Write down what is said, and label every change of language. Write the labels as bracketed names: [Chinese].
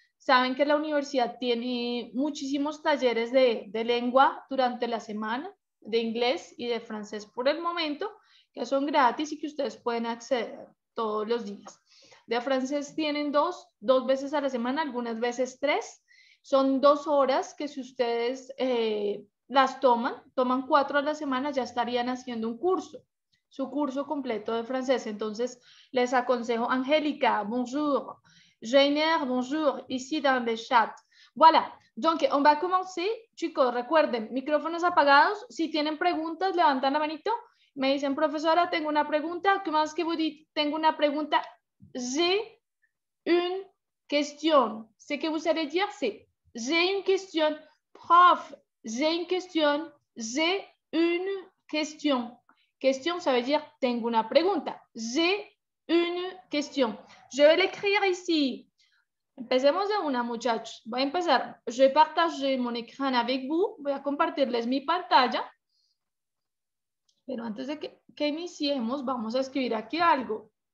[Spanish] Saben que la universidad tiene muchísimos talleres de lengua durante la semana, de inglés y de francés por el momento, que son gratis y que ustedes pueden acceder todos los días. De francés tienen dos veces a la semana, algunas veces tres. Son dos horas que si ustedes las toman cuatro a la semana, ya estarían haciendo un curso, su curso completo de francés. Entonces, les aconsejo, Angélica, bonjour. [French] Jainer, bonjour, ici dans le chat. Voilà, donc on va commencer. [Spanish] Chicos, recuerden, micrófonos apagados. Si tienen preguntas, levantan la manito. Me dicen, profesora, tengo una pregunta. ¿Qué más que [French] vous dites? [Spanish] Tengo una pregunta. [French] J'ai une question. Ce que vous allez dire, c'est j'ai une question. Prof, j'ai une question. J'ai une question. Question, ça veut dire [Spanish] tengo una pregunta. [French] J'ai une question. Je vais l'écrire ici. [Spanish] Empecemos de una, muchachos. Voy a empezar. [French] Je vais partager mon écran avec vous. [Spanish] Voy a compartirles mi pantalla. Pero antes de que iniciemos, vamos a escribir aquí algo.